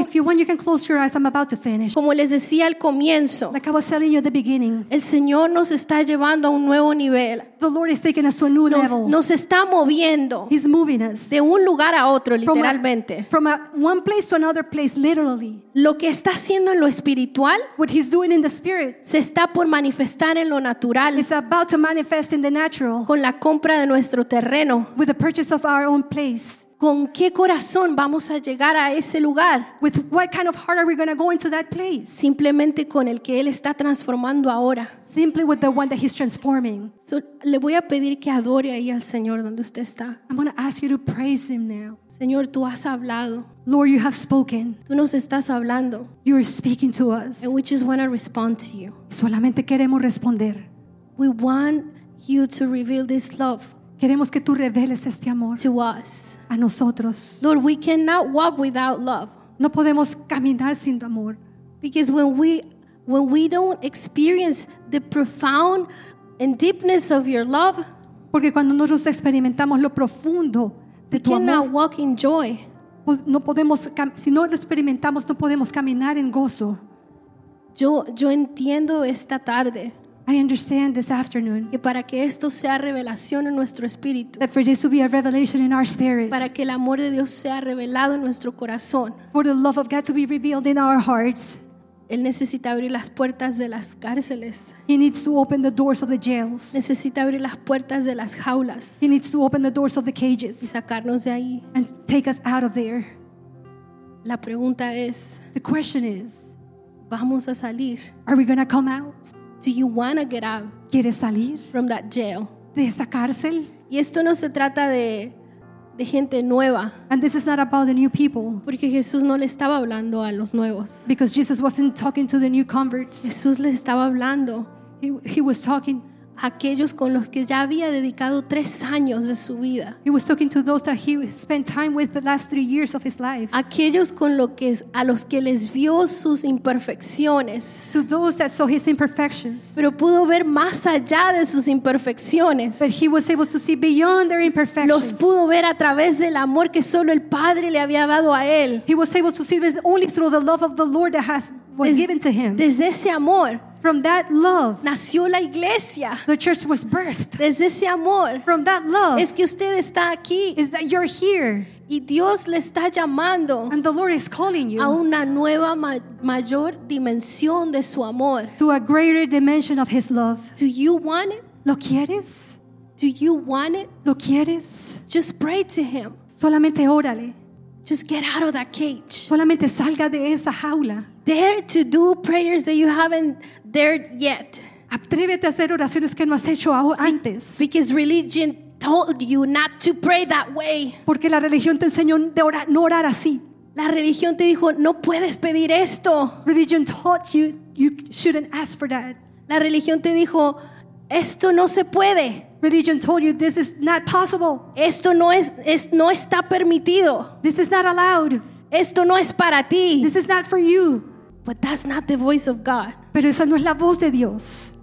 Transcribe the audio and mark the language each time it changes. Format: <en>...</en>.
<en>If you want, you can close your eyes. I'm about to finish.</en> <es>Como les decía al comienzo,</es> <en>like I was telling you at the beginning,</en> <es>el Señor nos está llevando a un nuevo nivel.</es> <en>The Lord is taking us to a new level.</en> <es>Nos está moviendo.</es> <en>He's moving us.</en> <es>De un lugar a otro, literalmente.</es> <en>From one place to another place, literally.</en> <es>Lo que está haciendo en lo espiritual,</es> <en>what he's doing in the spirit,</en> <es>se está por manifestar en lo natural.</es> <en>It's about to manifest in the natural.</en> <es>Con la compra de nuestro terreno.</es> <en>With the purchase of our own place.</en> <es>¿Con qué corazón vamos a llegar a ese lugar?</es> <en>With what kind of heart are we going to go into that place?</en> <es>Simplemente con el que él está transformando ahora.</es> <en>Simply with the one that he's transforming.</en> <es>So, le voy a pedir que adore ahí al Señor donde usted está.</es> <en>I'm going to ask you to praise him now.</en> <es>Señor, tú has hablado.</es> <en>Lord, you have spoken.</en> <es>Tú nos estás hablando.</es> <en>You're speaking to us. And we just want to respond to you.</en> <es>Solamente queremos responder.</es> <en>We want you to reveal this love.</en> <es>Queremos que tú reveles este amor.</es> <en>To us.</en> <es>A nosotros.</es> <en>Lord, we cannot walk without love.</en> <es>No podemos caminar sin amor.</es> <en>Because when we don't experience the profound and deepness of your love,</en> <es>porque cuando nosotros experimentamos lo profundo de tu amor,</es> <en>we cannot walk in joy.</en> <es>No podemos, si no lo experimentamos, no podemos caminar en gozo. Yo entiendo esta tarde.</es> <en>I understand this afternoon.</en> <es>Que para que esto sea revelación en nuestro espíritu.</es> <en>That for this to be a revelation in our spirit.</en> <es>Para que el amor de Dios sea revelado en nuestro corazón.</es> <en>For the love of God to be revealed in our hearts.</en> <es>Él necesita abrir las puertas de las cárceles.</es> <en>He needs to open the doors of the jails.</en> <es>Necesita abrir las puertas de las jaulas.</es> <en>He needs to open the doors of the cages.</en> <es>Y sacarnos de ahí.</es> <en>And take us out of there.</en> <es>La pregunta es.</es> <en>The question is.</en> <es>Vamos a salir.</es> <en>Are we going to come out? Do you want to get out?</en> <es>¿Quieres salir?</es> <en>From that jail.</en> <es>De esa cárcel. Y esto no se trata de gente nueva.</es> <en>And this is not about the new people.</en> <es>Porque Jesús no le estaba hablando a los nuevos.</es> <en>Because Jesus wasn't talking to the new converts.</en> <es>Jesús le estaba hablando.</es> <en>He was talking.</en> <es>Aquellos con los que ya había dedicado 3 años de su vida.</es> <en>He was talking to those that he spent time with the last 3 years of his life.</en> <es>Aquellos con los que a los que les vio sus imperfecciones.</es> <en>To those that saw his imperfections.</en> <es>Pero pudo ver más allá de sus imperfecciones.</es> <en>But he was able to see beyond their imperfections.</en> <es>Los pudo ver a través del amor que solo el Padre le había dado a él.</es> <en>He was able to see only through the love of the Lord that was given to him.</en> <es>Desde ese amor.</es> <en>From that love,</en> <es>nació la iglesia.</es> <en>The church was birthed.</en> <es>Desde ese amor,</es> <en>from that love,</en> <es>es que usted está aquí.</es> <en>Is that you're here?</en> <es>Y Dios le está llamando.</es> <en>And the Lord is calling you</en> <es>a una nueva mayor dimensión de su amor.</es> <en>To a greater dimension of His love. Do you want it?</en> <es>¿Lo quieres?</es> <en>Do you want it?</en> <es>¿Lo quieres?</es> <en>Just pray to him.</en> <es>Solamente órale.</es> <en>Just get out of that cage.</en> <es>Solamente salga de esa jaula.</es> <en>Dare to do prayers that you haven't dared yet.</en> <es>Atrévete a hacer oraciones que no has hecho antes.</es> <en>Because religion told you not to pray that way.</en> <es>Porque la religión te enseñó de orar, no orar así. La religión te dijo, no puedes pedir esto.</es> <en>Religion taught you you shouldn't ask for that.</en> <es>La religión te dijo, esto no se puede.</es> <en>Religion told you this is not possible.</en> <es>Esto no es, es no está permitido.</es> <en>This is not allowed.</en> <es>Esto no es para ti.</es> <en>This is not for you. But that's not the voice of God.</en> <es>Pero esa no es la voz de Dios.</es>